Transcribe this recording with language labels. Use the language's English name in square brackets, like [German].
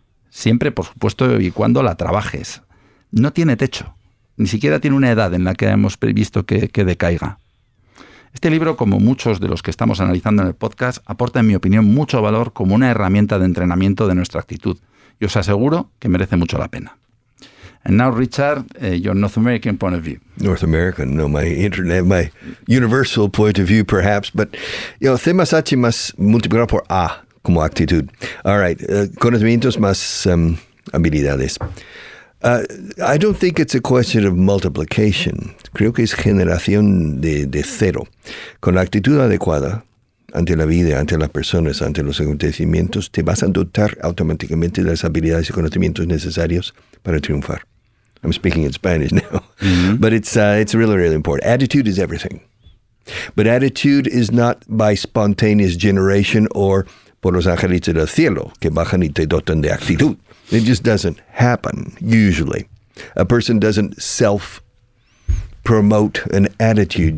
[Spanish] Siempre, por supuesto, y cuando la trabajes. No tiene techo. Ni siquiera tiene una edad en la que hemos previsto que decaiga. Este libro, como muchos de los que estamos analizando en el podcast, aporta, en mi opinión, mucho valor como una herramienta de entrenamiento de nuestra actitud. Y os aseguro que merece mucho la pena. [English] And now, Richard, your North American point of view. North American, no, my universal point of view, perhaps. But, you know, [Spanish] temas H más multiplicado por A como actitud. [English] All right, [Spanish] conocimientos más habilidades. [English] I don't think it's a question of multiplication. [Spanish] Creo que es generación de cero. Con la actitud adecuada ante la vida, ante las personas, ante los acontecimientos, te vas a dotar automáticamente de las habilidades y conocimientos necesarios para triunfar. [English] I'm speaking in Spanish now. Mm-hmm. But it's really, really important. Attitude is everything. But attitude is not by spontaneous generation or [Spanish] por los angelitos del cielo que bajan y te dotan de actitud. [English] It just doesn't happen, usually. A person doesn't self-promote an attitude.